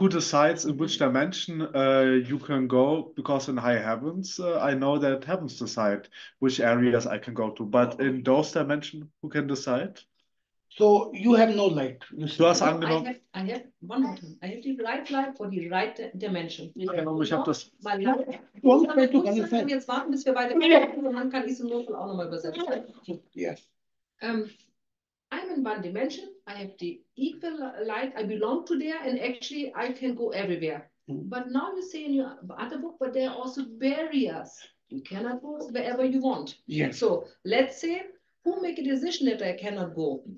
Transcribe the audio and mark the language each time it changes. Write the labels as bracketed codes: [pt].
[en] Who decides in which dimension you can go? Because in high heavens, I know that heavens decide which areas I can go to. But in those dimensions, who can decide? So you have no light. [de] Du hast angenommen. [en] I have the light for the right dimension. [de] Genau, ich habe das. Jetzt warten, bis wir beide kommen, und dann kann ich es im Notfall auch nochmal übersetzen. [en] Yes. I'm in one dimension, I have the equal light, I belong to there, and actually I can go everywhere. Mm-hmm. But now you say in your other book, but there are also barriers. You cannot go wherever you want. Yes. So let's say, who make a decision that I cannot go?